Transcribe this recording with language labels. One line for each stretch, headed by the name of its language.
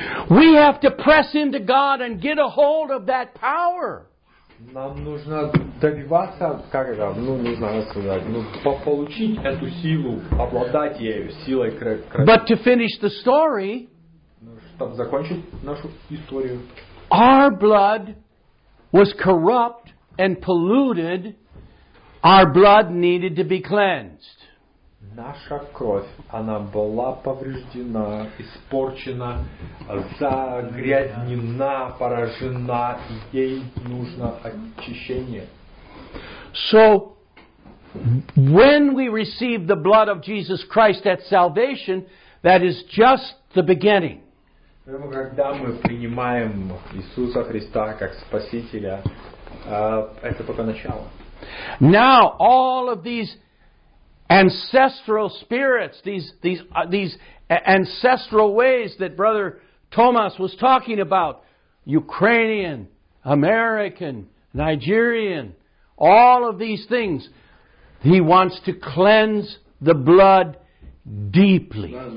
English: We have to press into God and get a hold of that power.
Russian: Нам нужно добиваться, как это, ну, не знаю, сказать, ну, получить эту силу, обладать ею, силой крови.
English: But to finish the story,
Russian: ну, чтобы закончить нашу историю,
English: our blood was corrupt and polluted, our blood needed to be cleansed.
Russian: Наша кровь, она была повреждена, испорчена, загрязнена, поражена, и ей нужно очищение.
English: So, when we receive the blood of Jesus Christ at salvation, that is just the beginning.
Russian: Когда мы принимаем Иисуса Христа как Спасителя, это только начало.
English: Now, all of these ancestral spirits, these ancestral ways that Brother Thomas was talking about, Ukrainian, American, Nigerian, all of these things, he wants to cleanse the blood deeply.